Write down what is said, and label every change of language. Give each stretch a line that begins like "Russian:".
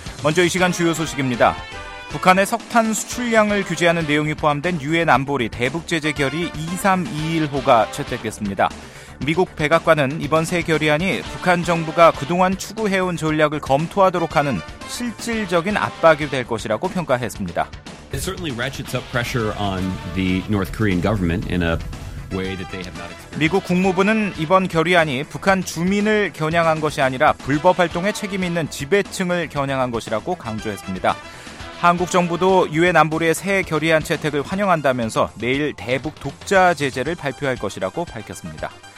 Korean: 먼저 이 시간 주요 소식입니다. 북한의 석탄 수출량을 규제하는 내용이 포함된 유엔 안보리 대북제재 결의 2321호가 채택됐습니다. 미국 백악관은 이번 새 결의안이 북한 정부가 그동안 추구해온 전략을 검토하도록 하는 실질적인 압박이 될 것이라고 평가했습니다.
English: It certainly ratchets up pressure on the North Korean government in a way that they have not experienced.
Korean: 미국 국무부는 이번 결의안이 북한 주민을 겨냥한 것이 아니라 불법 활동에 책임 있는 지배층을 겨냥한 것이라고 강조했습니다. 한국 정부도 유엔 안보리의 새 결의안 채택을 환영한다면서 내일 대북 독자 제재를 발표할 것이라고 밝혔습니다.